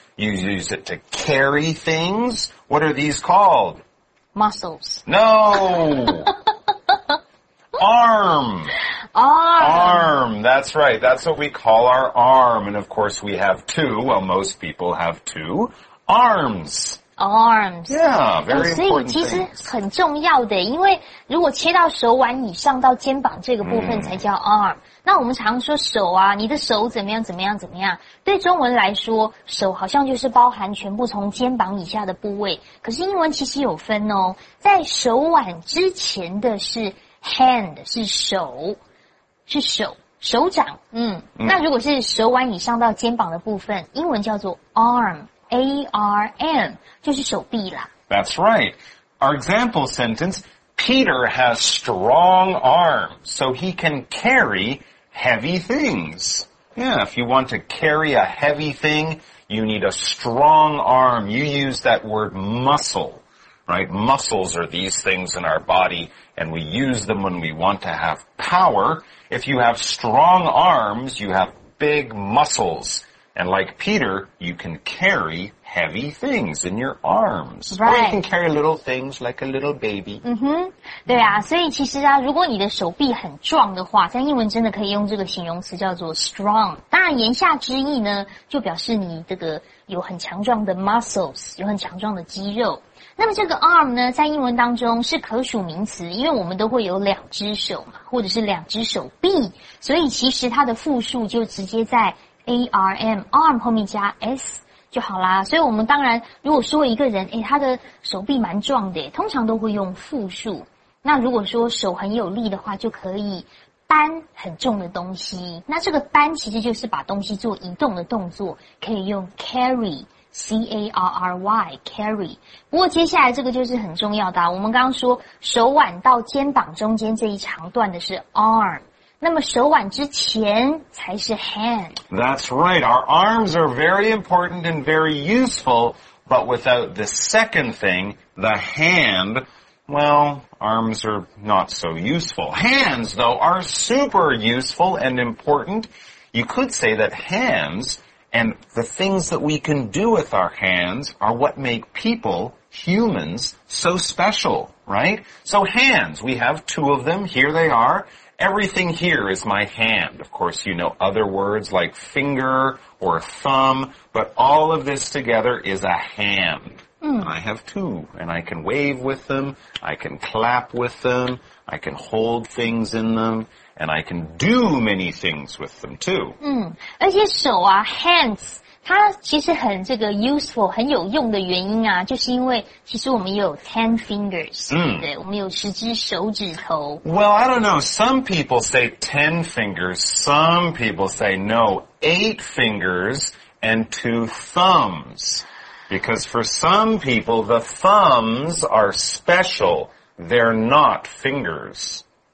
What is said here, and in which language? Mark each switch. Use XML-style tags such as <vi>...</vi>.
<en>You use it to carry things. What are these called? Muscles. No! Arm. Arm. Arm. That's right. That's what we call our arm. And of course we have two. Well, most people have two. Arms. Arms. Yeah, very important.</en> <zh>所以其实很重要的，因为如果切到手腕以上到肩膀这个部分才叫 arm。那我们常说手啊，你的手怎么样怎么样怎么样？对中文来说，手好像就是包含全部从肩膀以下的部位。可是英文其实有分哦，在手腕之前的是 hand， 是手，是手。手掌。那如果是手腕以上到肩膀的部分，英文叫做 arm。 A-R-M, 就是手臂啦。</zh> <en>That's right. Our example sentence, Peter has strong arms, so he can carry heavy things. Yeah, if you want to carry a heavy thing, you need a strong arm. You use that word muscle, right? Muscles are these things in our body, and we use them when we want to have power. If you have strong arms, you have big muscles. And like Peter, you can carry heavy things in your arms. Right. Or you can carry little things like a little baby.</en> <zh>对啊，所以其实啊，如果你的手臂很壮的话，在英文真的可以用这个形容词叫做 strong。当然言下之意呢，就表示你这个有很强壮的 muscles， 有很强壮的肌肉。那么这个 arm 呢，在英文当中是可数名词，因为我们都会有两只手嘛，或者是两只手臂，所以其实它的复数就直接在A-R-M, arm 后面加 S 就好啦。所以我们当然如果说一个人他的手臂蛮壮的，通常都会用复数。那如果说手很有力的话，就可以搬很重的东西。那这个搬其实就是把东西做移动的动作，可以用 carry, C-A-R-R-Y, carry。不过接下来这个就是很重要的我们刚刚说手腕到肩膀中间这一长段的是 arm，那么手腕之前才是 hand。</zh> <en>That's right. Our arms are very important and very useful, but without the second thing, the hand, well, arms are not so useful. Hands, though, are super useful and important. You could say that hands and the things that we can do with our hands are what make people, humans, so special, right? So hands, we have two of them. Here they are. Everything here is my hand. Of course, you know other words like finger or thumb, but all of this together is a hand. And I have two, and I can wave with them, I can clap with them, I can hold things in them, and I can do many things with them too.</en> <zh>而且手啊 ,hands, 它其实很这个 useful, 很有用的原因啊，就是因为其实我们有</zh> <en>10 fingers,</en> <zh>对，我们有十只手指头。</zh> <en>Well, I don't know, some people say 10 fingers, some people say no, 8 fingers and 2 thumbs. Because for some people, the thumbs are special, they're not fingers.</en>